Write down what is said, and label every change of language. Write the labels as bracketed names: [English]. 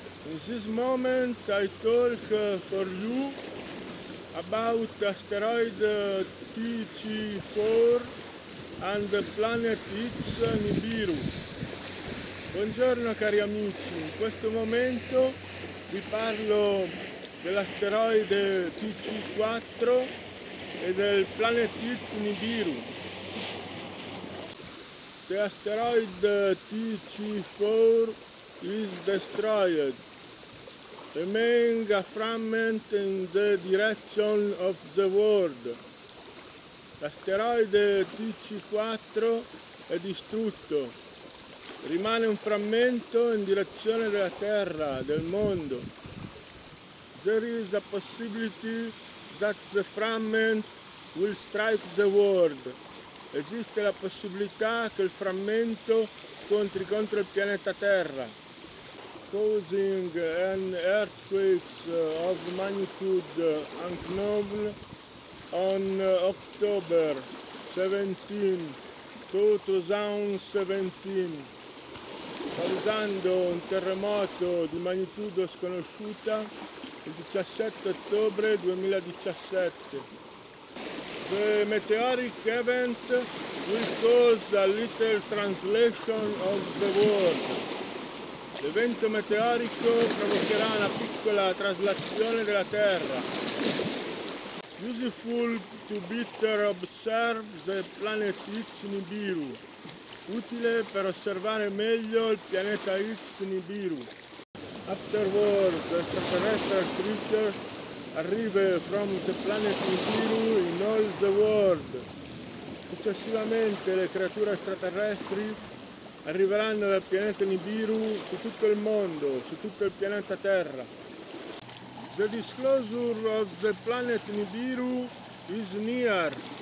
[English] In this moment, I talk for you about asteroid TC4 and the planet X Nibiru. [Italian] Buongiorno, cari amici. In questo momento vi parlo dell'asteroide TC4 e del planet X Nibiru. [English] The asteroid TC4 is destroyed. Remains a fragment in the direction of the world. [Italian] L'asteroide TC4 è distrutto. Rimane un frammento in direzione della Terra, del mondo. [English] There is a possibility that the fragment will strike the world. [Italian] Esiste la possibilità che il frammento scontri contro il pianeta Terra, [English] causing an earthquake of magnitude unknown on October 17, 2017, [Italian] causando un terremoto di magnitudo sconosciuta il 17 ottobre 2017. [English] The meteoric event will cause a little translation of the world. [Italian] L'evento meteorico provocherà una piccola traslazione della Terra. [English] Useful to better observe the planet X Nibiru. [Italian] Utile per osservare meglio il pianeta X Nibiru. [English] Afterwards, extraterrestrial creatures arrive from the planet Nibiru in all the world. [Italian] Successivamente le creature extraterrestri arriveranno dal pianeta Nibiru su tutto il mondo, su tutto il pianeta Terra. [English] The disclosure of the planet Nibiru is near.